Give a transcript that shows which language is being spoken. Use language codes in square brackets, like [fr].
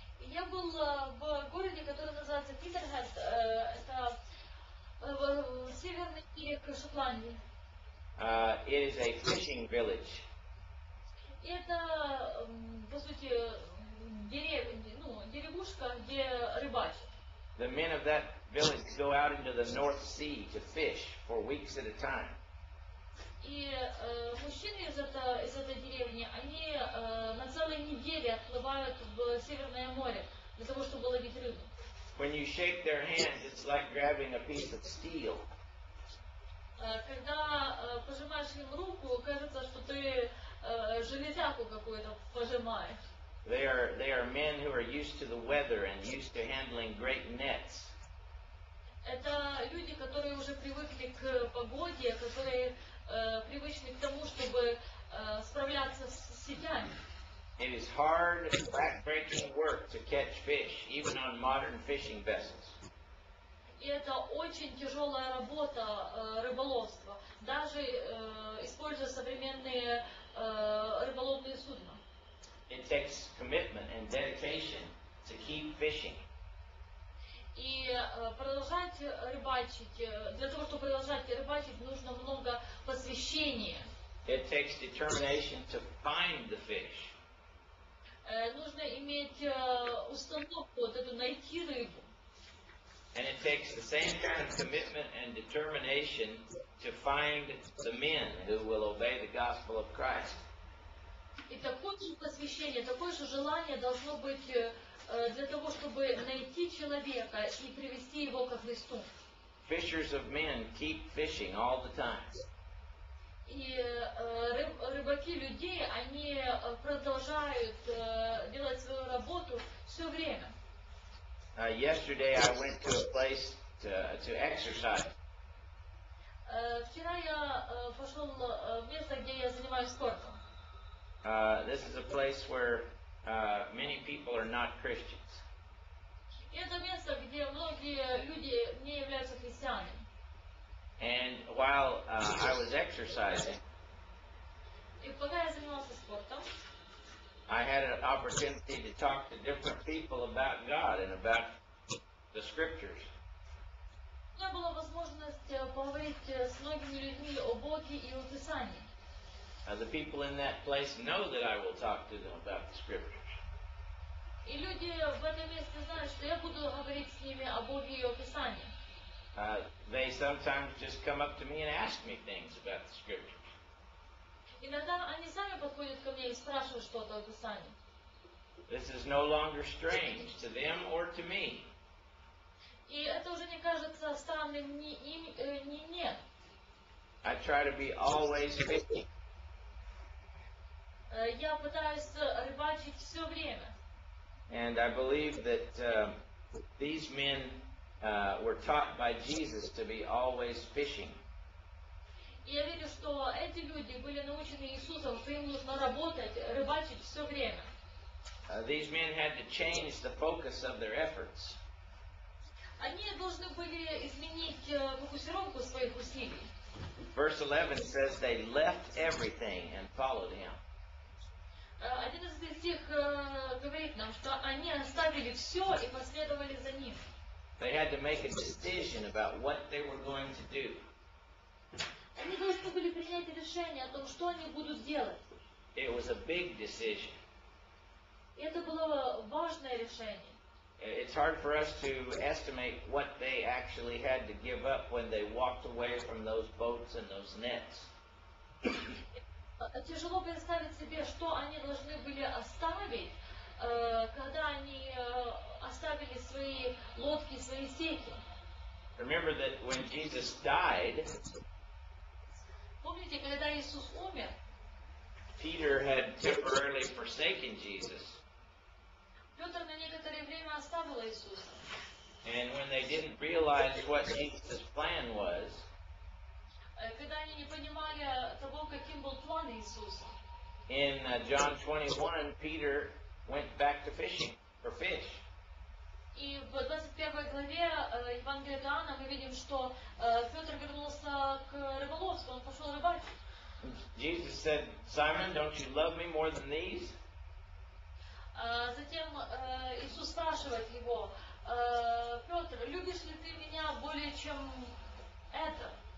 [ru] Я был в городе, который называется Питерхед, это северный берег Шотландии. [en] It is a fishing village. [ru] Это, по сути, деревушка, где рыбачат. [en] The men of that village go out into the North Sea to fish for weeks at a time. [ru] И мужчины из этой деревни, они на целые недели отплывают в Северное море для того, чтобы ловить рыбу. [en] When you shake their hands, it's like grabbing a piece of steel. [ru] Когда пожимаешь им руку, кажется, что ты железяку какую-то пожимаешь. [en] They are men who are used to the weather and used to handling great nets. [ru] Это люди, которые уже привыкли к погоде, которые привычны к тому, чтобы справляться с сетями. [en] It is hard, back-breaking work to catch fish, even on modern fishing vessels. [ru] И это очень тяжелая работа рыболовства, даже используя современные рыболовные судна. [en] It takes commitment and dedication to keep fishing. [ru] И продолжать рыбачить, для того, чтобы продолжать рыбачить, нужно много посвящения. [en] It takes determination to find the fish. [ru] Нужно иметь установку, вот эту, найти рыбу. [en] And it takes the same kind of commitment and determination to find the men who will obey the gospel of Christ. [ru] И такое же посвящение, такое же желание должно быть для того, чтобы найти человека и привести его ко Христу. [en] Fishers of men keep fishing all the time. [ru] И рыбаки людей, они продолжают делать свою работу все время. [en] Yesterday I went to a place to exercise. [ru] Вчера я пошел в место, где я занимаюсь спортом. [en] This is a place where many people are not Christians. [ru] Это место, где многие люди не являются египтянин. [en] And while I was exercising, [ru] и пока я занимался спортом, [en] I had an opportunity to talk to different people about God and about the scriptures. [ru] У меня была возможность поговорить с многими людьми о Боге и о Писании. [en] Now the people in that place know that I will talk to them about the scriptures. [ru] И люди в этом месте знают, что я буду говорить с ними о Боге и о Писании. [en] They sometimes just come up to me and ask me things about the scriptures. [ru] Иногда они сами подходят ко мне и спрашивают что-то о Писании. [en] This is no longer strange to them or to me. [ru] И это уже не кажется странным ни им, ни мне. [en] I try to be always fishing. [ru] Я пытаюсь рыбачить все время. [en] And I believe that these men were taught by Jesus to be always fishing. [ru] Я верю, что эти люди были научены Иисусом, что им нужно работать, рыбачить все время. [en] These men had to change the focus of their efforts. [ru] Они должны были изменить фокусировку своих усилий. [en] Verse 11 says they left everything and followed him. [ru] Один из этих говорит нам, что они оставили все и последовали за ним. [en] They had to make a decision about what they were going to do. [ru] Они должны были принять решение о том, что они будут делать. [en] It was a big decision. [ru] Это было важное решение. [en] It's hard for us to estimate what they actually had to give up when they walked away from those boats and those nets. [ru] Тяжело представить себе, что они должны были оставить, когда они оставили свои лодки, свои сети. [en] Remember that when Jesus died, [ru] помните, когда Иисус умер, [en] Peter had temporarily forsaken Jesus. [ru] Петр на некоторое время оставил Иисуса. [en] And when they didn't realize what Jesus' plan was, [ru] когда они не понимали того, каким был план Иисуса. [en] In John 21, Peter went back to fishing for fish. [ru] И в 21 главе Евангелия Иоанна мы видим, что Петр вернулся к рыболовству, он пошел рыбачить. [en] Jesus said, Simon, don't you love me more than these? [ru] Затем Иисус спрашивает его, Петр, любишь ли ты меня более чем это?